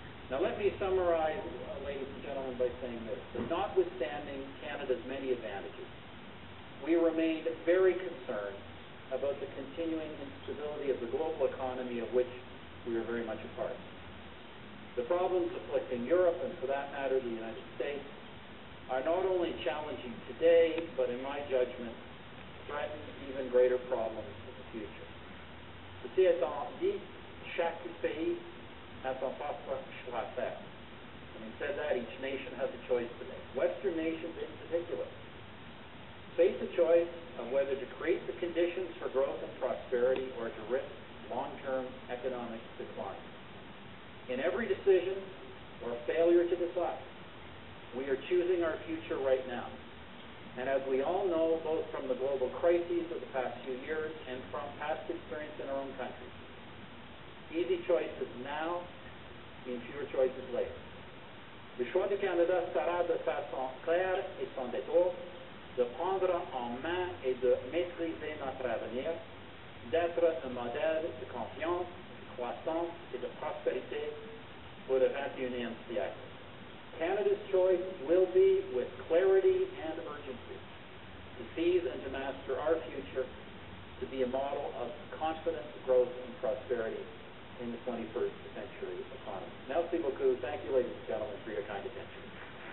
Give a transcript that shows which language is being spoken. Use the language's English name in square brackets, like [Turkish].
[English] Now let me summarize, ladies and gentlemen, by saying this. Notwithstanding Canada's many advantages, we remain very concerned about the continuing instability of the global economy of which we are very much a part. The problems afflicting Europe, and for that matter the United States, are not only challenging today, but in my judgment, threaten even greater problems in the future. [French] Ceci étant dit, chaque pays a son propre choix à faire. [English] Having said that, each nation has a choice to make. Western nations in particular face a choice of whether to create the conditions for growth and prosperity or to risk long-term economic decline. In every decision or failure to decide, we are choosing our future right now. And as we all know, both from the global crises of the past few years and from past experience in our own country, easy choices now mean fewer choices later. [French] Le choix du Canada sera de façon claire et sans détour de prendre en main et de maîtriser notre avenir, d'être un modèle de confiance, de croissance et de prospérité pour le 21e siècle. [English] Canada's choice will be, with clarity and urgency, to seize and to master our future, to be a model of confidence, growth and prosperity in the 21st century economy. [French] Merci beaucoup. [English] Thank you, ladies and gentlemen, for your kind attention.